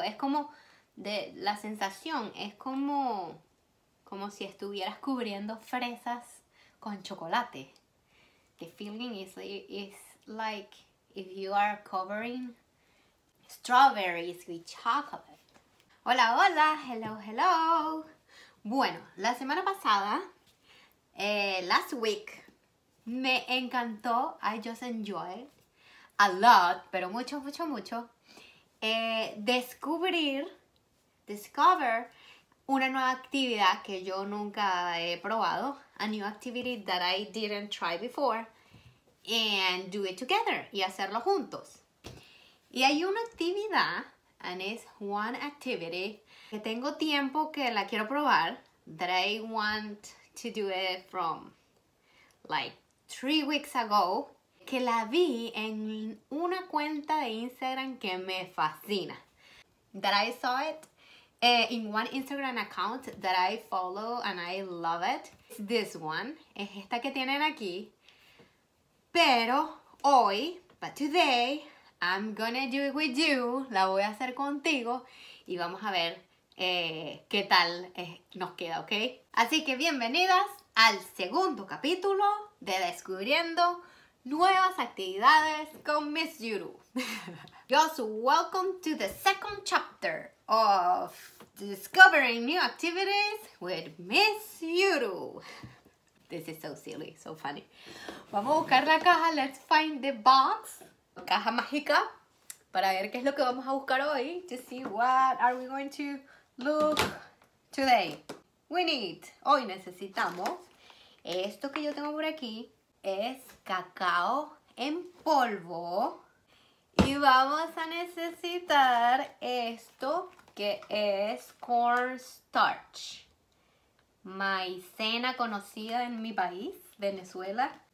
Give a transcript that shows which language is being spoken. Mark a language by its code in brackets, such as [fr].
[es] Es como de la sensación, es como si estuvieras cubriendo fresas con chocolate. [en] The feeling is like if you are covering strawberries with chocolate. [es] Hola, hola, [en] hello, hello. [es] Bueno, la semana pasada, [en] last week, [es] me encantó. [en] I just enjoyed a lot, [es] pero mucho, mucho, mucho. [en] Discover [es] una nueva actividad que yo nunca he probado. [en] A new activity that I didn't try before. And do it together. [es] Y hacerlo juntos. Y hay una actividad, [en] and it's one activity, [es] que tengo tiempo que la quiero probar. [en] That I want to do it from like 3 weeks ago. [es] Que la vi en una cuenta de Instagram que me fascina. [en] That I saw it in one Instagram account that I follow and I love it. It's this one. [es] Es esta que tienen aquí. Pero hoy, [en] but today, I'm gonna do it with you. [es] La voy a hacer contigo y vamos a ver qué tal nos queda, ¿ok? Así que bienvenidas al segundo capítulo de Descubriendo Nuevas actividades con Miss Yuru. [en] Just welcome to the second chapter of Discovering New Activities with Miss Yuru. This is so silly, so funny. [es] Vamos a buscar la caja. [en] Let's find the box. [es] Caja mágica. Para ver qué es lo que vamos a buscar hoy. [en] To see what are we going to look today. We need. [es] Hoy necesitamos esto que yo tengo por aquí. Es cacao en polvo y vamos a necesitar esto que es cornstarch, maicena conocida en mi país, Venezuela.